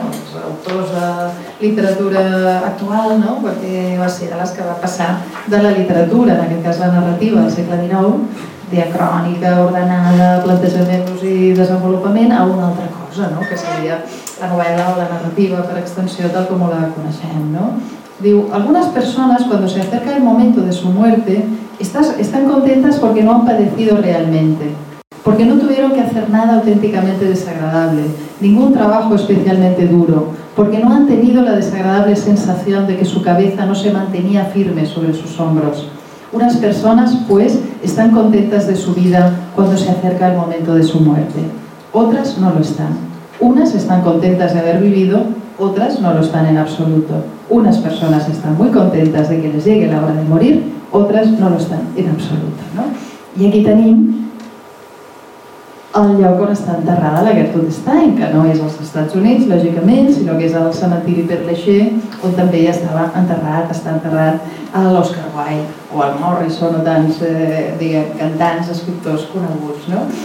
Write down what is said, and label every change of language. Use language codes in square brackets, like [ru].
[ca] Els autors de literatura actual, no? Perquè va ser de les que va passar de la literatura, en aquest cas la narrativa del segle XIX, diacrònica, ordenada, plantejaments i desenvolupament, a una altra cosa, no? Que seria la novel·la o la narrativa per extensió tal com la coneixem, no? Diu: [es] algunas personas, cuando se acerca el momento de su muerte, están contentas porque no han padecido realmente, porque no tuvieron que hacer nada auténticamente desagradable, ningún trabajo especialmente duro, porque no han tenido la desagradable sensación de que su cabeza no se mantenía firme sobre sus hombros. Unas personas, pues, están contentas de su vida cuando se acerca el momento de su muerte. Otras no lo están. Unas están contentas de haber vivido, otras no lo están en absoluto. Unas personas están muy contentas de que les llegue la hora de morir, otras no lo están en absoluto, ¿no? [ca] I aquí tenim el lloc on està enterrada la Gertrude Stein, que no és als Estats Units, lògicament, sinó que és al cementiri Père Lachaise, on també ja estava enterrat, està enterrat l'Oscar Wilde o el Morrison o tants diguem, cantants, escriptors coneguts. No?